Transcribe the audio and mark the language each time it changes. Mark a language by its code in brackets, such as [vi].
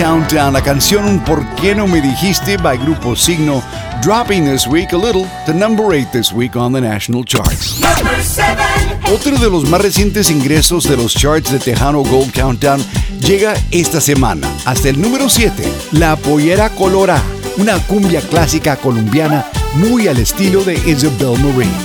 [es] Down la canción ¿Por qué no me dijiste? [en] By Grupo Signo, dropping this week a little to number 8 this week on the national charts. Number 7. [es] Otro de los más recientes ingresos de los charts de Tejano Gold Countdown llega esta semana hasta el número 7, La Pollera Colora, una cumbia clásica colombiana muy al estilo de Isabel Marie.